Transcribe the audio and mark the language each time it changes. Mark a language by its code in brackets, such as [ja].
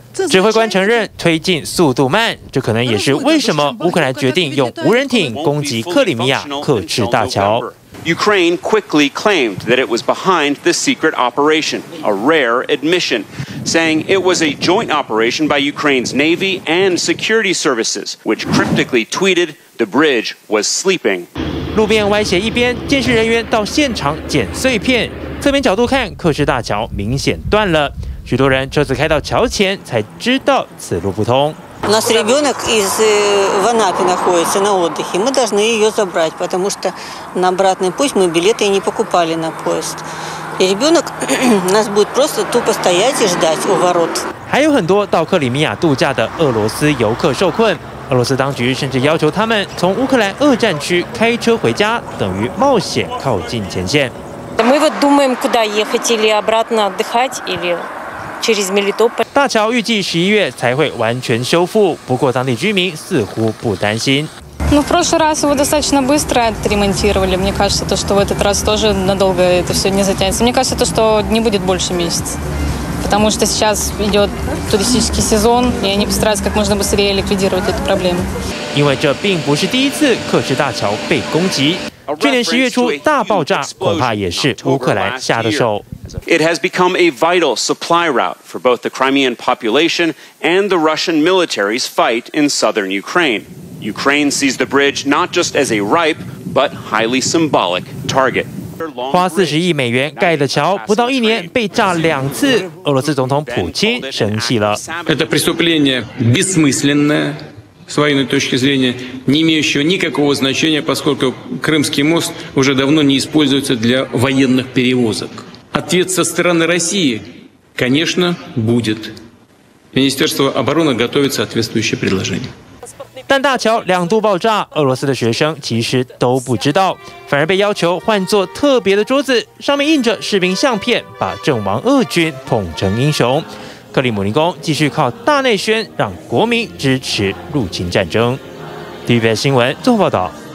[zh] 指挥官承认推进速度慢，这可能也是为什么乌克兰决定用无人艇攻击克里米亚克赤大桥。 [en] Ukraine quickly claimed that it was behind the secret operation, a rare admission, saying it was a joint operation by Ukraine's Navy and security services, which cryptically tweeted the bridge was sleeping. [zh] 路边歪斜一边，监视人员到现场捡碎片。侧面角度看，克什大桥明显断了。许多人车子开到桥前才知道此路不通。 [ru] У нас ребенок из Анапы находится на отдыхе. Мы должны ее забрать, потому что на обратный путь мы билеты не покупали на поезд. И ребенок нас будет просто тупо стоять и ждать у ворот. [zh] 还有很多到克里米亚度假的俄罗斯游客受困，俄罗斯当局甚至要求他们从乌克兰二战区开车回家，等于冒险靠近前线。 [ru] Мы вот думаем, куда ехать, или обратно отдыхать, или... [zh] 大桥预计十一月才会完全修复，不过当地居民似乎不担心。 [ru] Ну, в прошлый раз его достаточно быстро отремонтировали. Мне кажется, то, что в этот раз тоже надолго это все не затянется. Мне кажется, то, что не будет больше месяца, потому что сейчас идет туристический сезон, и они постараются как можно быстрее ликвидировать эту проблему. [zh] 因为这并不是第一次克什大桥被攻击。去年十月初大爆炸恐怕也是乌克兰下的手。 [en] It has become a vital supply route for both the Crimean population and the Russian military's fight in southern Ukraine. Ukraine sees the bridge not just as a ripe, but highly symbolic target. [zh] 花$40亿盖的桥，不到一年被炸两次，俄罗斯总统普京生气了。 [ru] Это преступление бессмысленное. С военной точки зрения, не имеющего никакого значения, поскольку Крымский мост уже давно не используется для военных перевозок. Ответ со стороны России, конечно, будет. Министерство обороны готовит соответствующее предложение. [zh] 但大桥两度爆炸，俄罗斯的学生其实都不知道，反而被要求换作特别的桌子，上面印着士兵相片，把阵亡俄军捧成英雄。克里姆林宫继续靠大内宣让国民支持入侵战争。 TVBS 新闻综合报道。